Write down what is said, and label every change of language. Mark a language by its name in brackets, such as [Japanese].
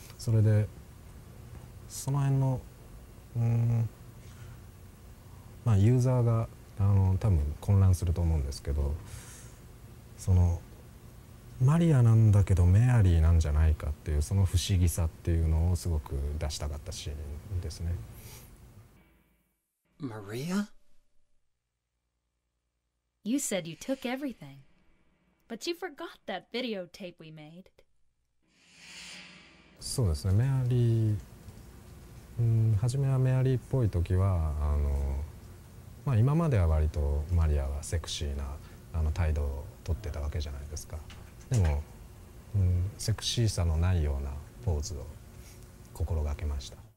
[Japanese] それでその辺の、まあ、ユーザーが多分混乱すると思うんですけど、そのマリアなんだけどメアリーなんじゃないかっていう、その不思議さっていうのをすごく出したかったシーンですね。マリア？ [English] You said you took everything, but you forgot that videotape we made. [Japanese] そうですね、メアリー、うん、初めはメアリーっぽい時は、まあ、今までは割とマリアはセクシーな態度をとってたわけじゃないですか。でも、うん、セクシーさのないようなポーズを心がけました。